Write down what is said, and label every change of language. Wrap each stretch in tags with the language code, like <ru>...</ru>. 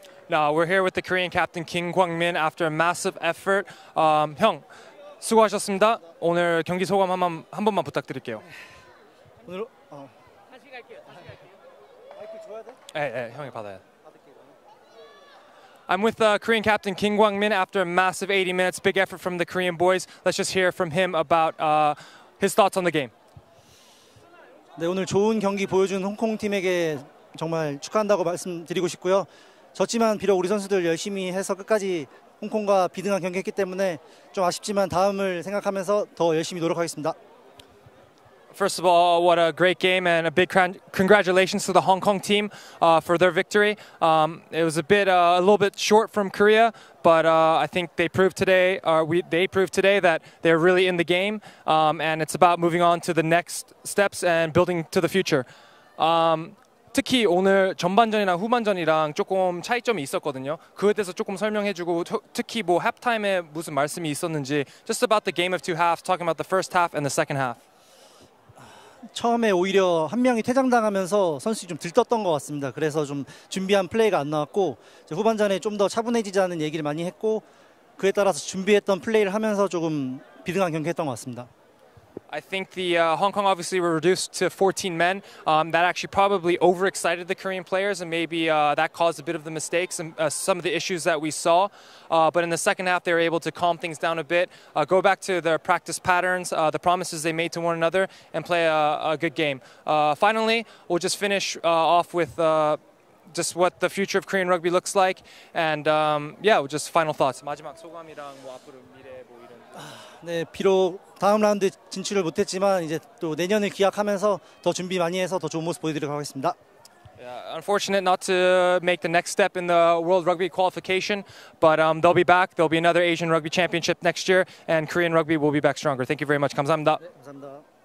<en>Now we're here with the Korean captain Kim Kwang-min after a massive effort.</en> <ko>형, 수고하셨습니다. 오늘 경기 소감 한 번만 부탁드릴게요. 오늘 형이 받아야 돼.</ko> <en>I'm with Korean captain Kim Kwang-min after a massive 80 minutes. Big effort from the Korean boys. Let's just hear from him about his thoughts on the game.</en> <ko>네, 오늘 좋은 경기 보여준 홍콩 팀에게 정말 축하한다고 말씀드리고 싶고요. 졌지만 비록 우리 선수들 열심히 해서 끝까지 홍콩과 비등한 경기했기 때문에 좀 아쉽지만 다음을 생각하면서 더 열심히 노력하겠습니다.</ko> <en>First of all, what a great game and a big congratulations to the Hong Kong team for their victory. It was a little bit short from Korea, but I think they proved today that they're really in the game, and it's about moving on to the next steps and building to the future.</en> <ko>특히 오늘 전반전이랑 후반전이랑 조금 차이점이 있었거든요. 그에 대해서 조금 설명해주고 특히 뭐 halftime에 무슨 말씀이 있었는지</ko> <en>just about the game of two halves, talking about the first half and the second half.</en> <ko>처음에 오히려 한 명이 퇴장당하면서 선수들이 좀 들떴던 것 같습니다. 그래서 좀 준비한 플레이가 안 나왔고 후반전에 좀 더 차분해지자는 얘기를 많이 했고 그에 따라서 준비했던 플레이를 하면서 조금 비등한 경기했던 것 같습니다.</ko> <en>I think the Hong Kong obviously were reduced to 14 men. That actually probably overexcited the Korean players, and maybe that caused a bit of the mistakes and some of the issues that we saw. But in the second half, they were able to calm things down a bit, go back to their practice patterns, the promises they made to one another, and play a good game. Finally, we'll just finish off with just what the future of Korean rugby looks like. And yeah, just final thoughts.</en> <ko>마지막 소감이랑 뭐 앞으로 미래 뭐 이런. 네, 비록 다음 라운드 진출을 못했지만 이제 또 내년을 기약하면서 더 준비 많이 해서 더 좋은 모습 보여드리도록 하겠습니다.</ko> <en>Yeah, unfortunate not to make the next step in the World Rugby qualification, but they'll be back. There'll be another Asian Rugby Championship next year, and Korean Rugby will be back stronger. Thank you very much.</en> <ko>감사합니다. 네, 감사합니다.</ko>